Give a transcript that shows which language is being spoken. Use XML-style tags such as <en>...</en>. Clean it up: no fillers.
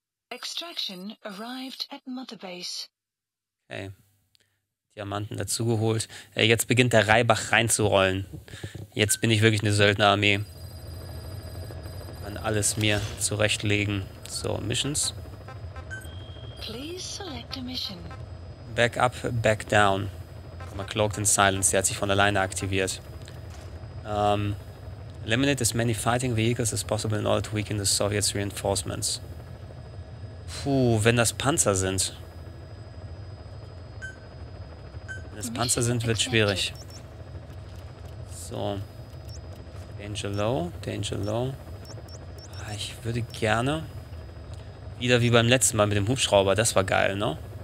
<en>Extraction arrived at Mother Base.</en> <de>Okay. Diamanten dazugeholt. Jetzt beginnt der Reibach reinzurollen. Jetzt bin ich wirklich eine Söldnerarmee. Kann alles mir zurechtlegen. So, Missions.</de> <en>Please select a mission. Back up, back down.</en> <de>Mal</de> <en>Cloaked in Silence.</en> <de>Der hat sich von alleine aktiviert.</de> <en>Eliminate as many fighting vehicles as possible in order to weaken the Soviets' reinforcements.</en> <de>Puh, wenn das Panzer sind. Wenn es Panzer sind, wird schwierig. So.</de> <en>Danger low.</en> <de>Ich würde gerne wieder wie beim letzten Mal mit dem Hubschrauber. Das war geil, ne?</de>